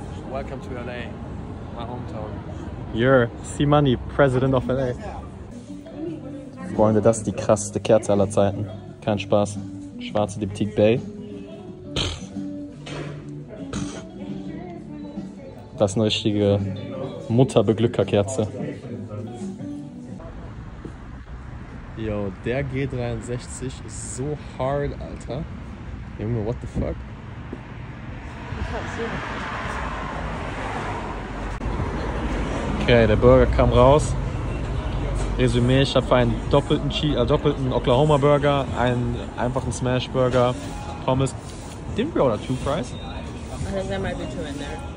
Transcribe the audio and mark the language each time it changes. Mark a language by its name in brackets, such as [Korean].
[English] Welcome to LA, my hometown. You're C-Money, President of LA. [German] Freunde, das ist die krasseste Kerze aller Zeiten. Kein Spaß. Schwarze Diptyque Bay. Das ist eine richtige Mutterbeglückerkerze. Yo, der G63 ist so hard, Alter. Junge, [English] what the fuck? [German] Okay, der Burger kam raus. Resümee, ich habe einen doppelten Oklahoma-Burger, einen einfachen Smash-Burger, Pommes. [English] Didn't we order two fries? I think there might be two in there.